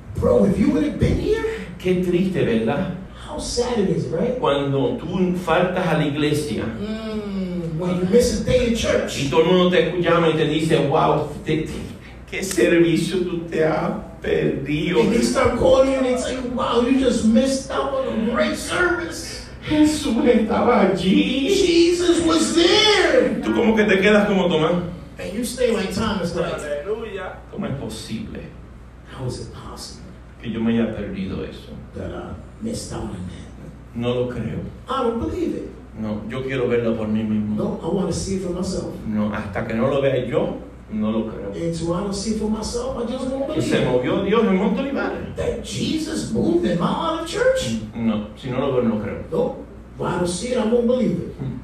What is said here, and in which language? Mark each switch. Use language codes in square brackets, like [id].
[en] Bro, if you would have been here. [es] Qué triste, ¿verdad? [en] How sad it is, right? [es] Cuando tú faltas a la iglesia. [en] When you miss a day in church. [es] Y todo el mundo te llama y te dice, wow, qué servicio tú te has perdido. [en] And they start calling you and they say, wow, you just missed out on a great service. [es] Jesús estaba allí. [en] Jesus was there. [es] Tú como que te quedas como Tomás. [en] And you stay like Thomas. [es] Aleluya. ¿Cómo es posible? [en] How is it possible? [es] Que yo me haya perdido eso. [en] That I missed out on that. [es] No lo creo. [en] I don't believe it. [es] No, yo quiero verlo por mí mismo. [en] No, I want to see it for myself. [es] No, hasta que no lo vea yo, no lo creo. [en] Until I don't see it for myself, I just won't believe it. [es] Se movió Dios en Monte Olivares. [en] That Jesus moved in my heart of church. [es] No, si no lo veo, no creo. [en] No, if I don't see it, I won't believe it.